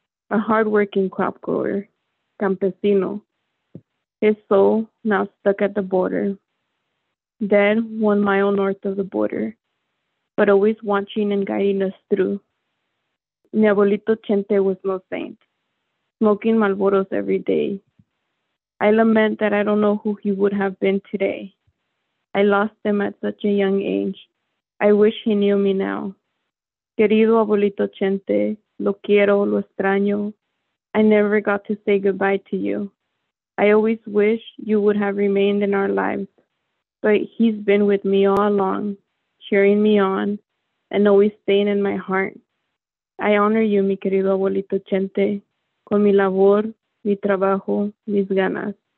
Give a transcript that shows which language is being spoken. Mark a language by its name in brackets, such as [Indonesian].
[English] A hardworking crop grower, campesino, his soul now stuck at the border, then 1 mile north of the border, but always watching and guiding us through. [Spanish] Mi abuelito [English] Chente was no saint, smoking Marlboros every day. I lament that I don't know who he would have been today. I lost him at such a young age. I wish he knew me now. [Spanish] Querido abuelito Chente, lo quiero, lo extraño. [English] I never got to say goodbye to you. I always wish you would have remained in our lives, but he's been with me all along, cheering me on and always staying in my heart. I honor you, [Spanish] mi querido abuelito Chente, con mi labor, mi trabajo, mis ganas.